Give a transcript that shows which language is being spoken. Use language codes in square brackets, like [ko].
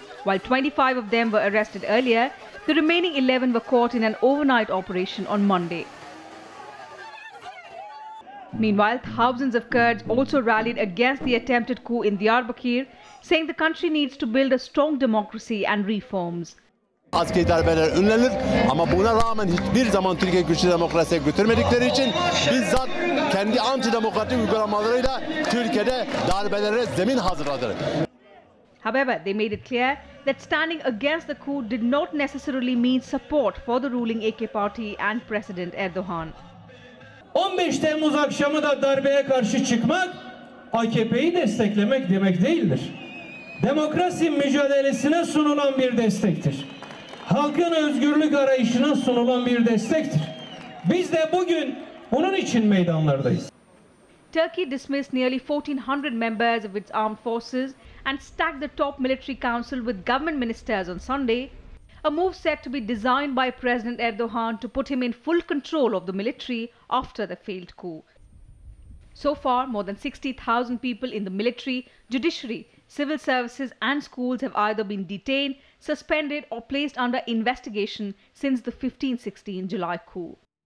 [en] While 25 of them were arrested earlier, the remaining 11 were caught in an overnight operation on Monday. Meanwhile, thousands of Kurds also rallied against the attempted coup in Diyarbakir, saying the country needs to build a strong democracy and reforms. [tr] Askeri darbeler önlenir ama buna rağmen hiçbir zaman Türkiye güçlü demokrasiye götürmedikleri için bizzat kendi anti-demokratik uygulamalarıyla Türkiye'de darbelere zemin hazırladı. [en] However, they made it clear that standing against the coup did not necessarily mean support for the ruling AK party and President Erdogan. [tr] 15 Temmuz akşamı da darbeye karşı çıkmak AKP'yi desteklemek demek değildir. Demokrasi mücadelesine sunulan bir destektir. Halkın özgürlük arayışına sunulan bir destektir. Biz de bugün bunun için meydanlardayız. [en] Turkey dismissed nearly 1400 members of its armed forces and stacked the top military council with government ministers on Sunday, a move said to be designed by President Erdogan to put him in full control of the military after the failed coup. So far, more than 60,000 people in the military, judiciary, civil services and schools have either been detained, suspended or placed under investigation since the 15-16 July coup.